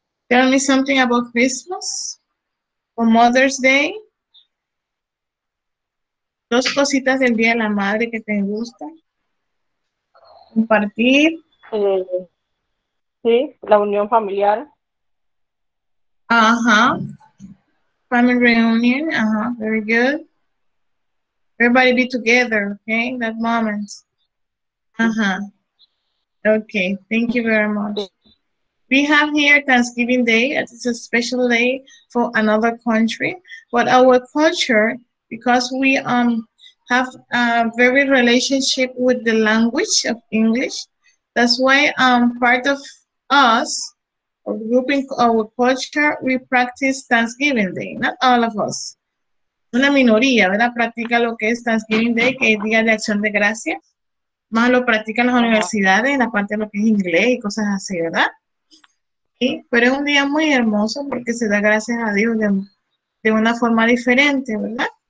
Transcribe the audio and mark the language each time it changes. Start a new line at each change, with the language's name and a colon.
English: Tell me something about Christmas or Mother's Day.
Spanish: Dos cositas del Día de la Madre que te gustan. Compartir. Sí, la unión familiar.
English: Ajá. Family reunion. Ajá, very good. Everybody be together, okay? That moment. Ajá. Okay, thank you very much. We have here Thanksgiving Day. It's a special day for another country. But our culture, because we have a very relationship with the language of English, that's why part of us, or grouping our culture, we practice Thanksgiving Day. Not all of us.
Spanish: Una minoría, ¿verdad? Practica lo que es Thanksgiving Day, que es Día de Acción de Gracia. Más lo practican las universidades, en la parte de lo que es inglés y cosas así, ¿verdad? Sí, pero es un día muy hermoso porque se da gracias a Dios de una forma diferente, ¿verdad?